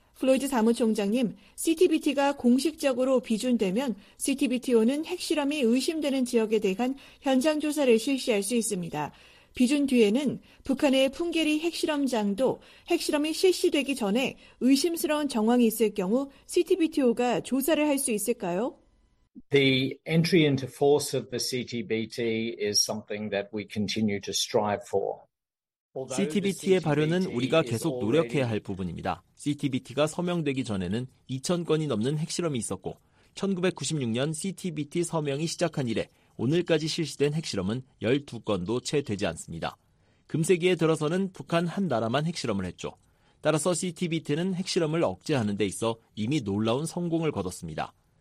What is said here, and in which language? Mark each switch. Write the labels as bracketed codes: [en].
[ko] 플로이드 사무총장님, CTBT가 공식적으로 비준되면 CTBTO는 핵실험이 의심되는 지역에 대한 현장 조사를 실시할 수 있습니다. 비준 뒤에는 북한의 풍계리 핵실험장도 핵실험이 실시되기 전에 의심스러운 정황이 있을 경우 CTBTO가 조사를 할 수 있을까요? [en] The entry into force of the CTBT is something that we continue to strive for. [ko] CTBT의 발효는 우리가 계속 노력해야 할 부분입니다. CTBT가 서명되기 전에는 2천 건이 넘는 핵실험이 있었고 1996년 CTBT 서명이 시작한 이래 오늘까지 실시된 핵실험은 12건도 채 되지 않습니다. 금세기에 들어서는 북한 한 나라만 핵실험을 했죠. 따라서 CTBT는 핵실험을 억제하는 데 있어 이미 놀라운 성공을 거뒀습니다.